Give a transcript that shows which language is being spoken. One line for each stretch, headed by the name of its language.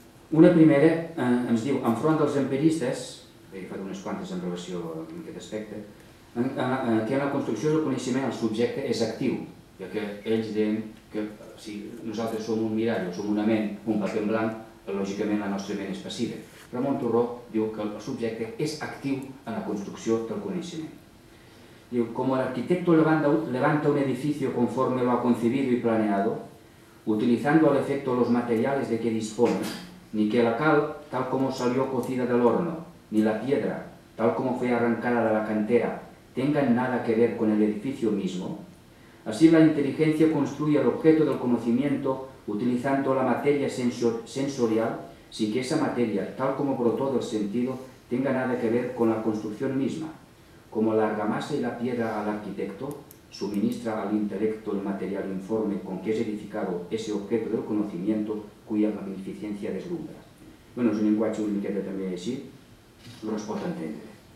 Catalan: Una primera ens diu, enfront dels empiristes, he fet unes quantes en relació amb aquest aspecte, que en la construcció del coneixement el subjecte és actiu, ja que ells diuen que si nosaltres som un mirall o som una ment, un paper en blanc, lògicament la nostra ment és passiva. Ramon Turró diu que el subjecte és actiu en la construcció del coneixement.
Spanish: Diu, com l'arquitecto levanta un edificio conforme lo ha concebido y planeado, utilizando al efecto los materiales de que dispone, ni que la cal, tal como salió cocida del horno, ni la piedra, tal como fue arrancada de la cantera, tengan nada que ver con el edificio mismo, así la inteligencia construye el objeto del conocimiento utilizando la materia sensorial, sin que esa materia, tal como brotó del sentido, tenga nada que ver con la construcción misma. Como la argamasa y la piedra al arquitecto, suministra al intelecto el material informe con que es edificado ese objeto del conocimiento cuya magnificencia deslumbra.
Catalan: Bueno, és un llenguatge una miqueta també així, però es pot entendre.